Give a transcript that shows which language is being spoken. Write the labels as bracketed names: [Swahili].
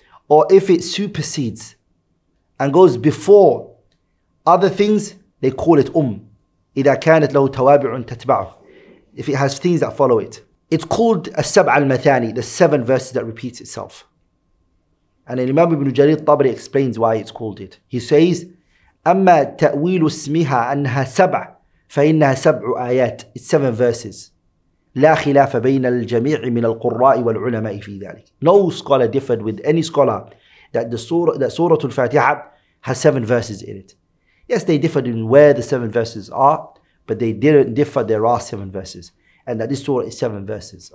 [English] Or if it supersedes and goes before other things, they call it [Arabic] إذا كانت له توابع تتبعه. [English] If it has things that follow it. It's called [Arabic] السبع المثاني, [English] the seven verses that repeats itself. And Imam Ibn Jarir al-Tabari explains why it's called it. [Arabic] He says, أما تأويل اسمها أنها سبع فإنها سبع آيات. [English] It's seven verses. [Arabic] لا خلاف بين الجميع من القراء والعلماء في ذلك. [English] No scholar differed with any scholar that the surah, that Surah Al-Fatiha has seven verses in it. Yes, they differed in where the seven verses are, but they didn't differ there are seven verses, and that this surah is seven verses.